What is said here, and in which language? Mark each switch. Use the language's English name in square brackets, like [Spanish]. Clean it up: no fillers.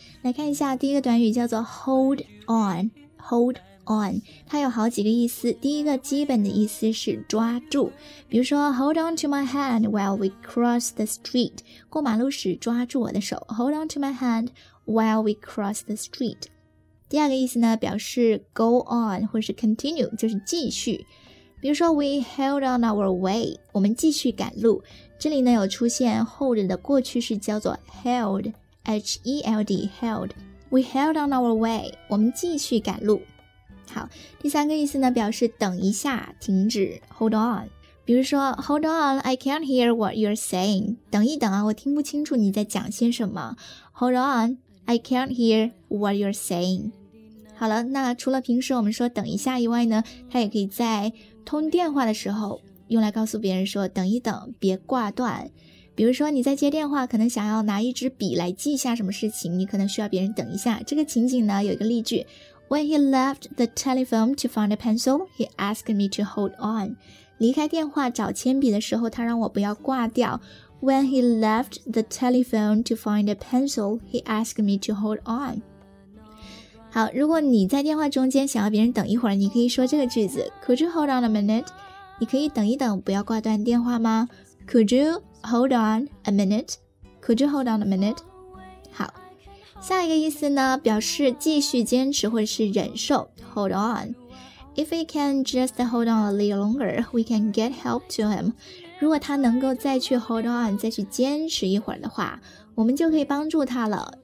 [Chinese] 来看一下第一个短语，叫做 hold on， hold on， 它有好几个意思。第一个基本的意思是抓住，比如说 [English] Hold on to my hand while we cross the street， [Chinese] 过马路时抓住我的手， [English] Hold on to my hand while we cross the street。 [Chinese] 第二个意思呢表示 go on 或是 continue， 就是继续。比如说 [English] We held on our way， [Chinese] 我们继续赶路。这里呢有出现 hold 的过去式叫做 held， H-E-L-D， held。 [English] We held on our way， [Chinese] 我们继续赶路。好，第三个意思呢表示等一下，停止， hold on。比如说 [English] hold on I can't hear what you're saying， [Chinese] 等一等啊，我听不清楚你在讲些什么， [English] hold on I can't hear what you're saying。 [Chinese] 好了，那除了平时我们说等一下以外呢，它也可以在通电话的时候用来告诉别人说等一等，别挂断。比如说你在接电话，可能想要拿一支笔来记下什么事情，你可能需要别人等一下。这个情景呢有一个例句， [English] When he left the telephone to find a pencil, he asked me to hold on. [Chinese] 离开电话找铅笔的时候，他让我不要挂掉。 [English] When he left the telephone to find a pencil, he asked me to hold on. [Chinese] 好，如果你在电话中间想要别人等一会儿，你可以说这个句子。 [English] Could you hold on a minute? [Chinese] 你可以等一等，不要挂断电话吗？ [English] Could you hold on a minute? Could you hold on a minute? [Chinese] 好。下一个意思呢表示继续坚持或者是忍受， hold on。 [English] If we can just hold on a little longer, we can get help to him。 [Chinese] 如果他能够再去 hold on， 再去坚持一会儿的话，我们就可以帮助他了。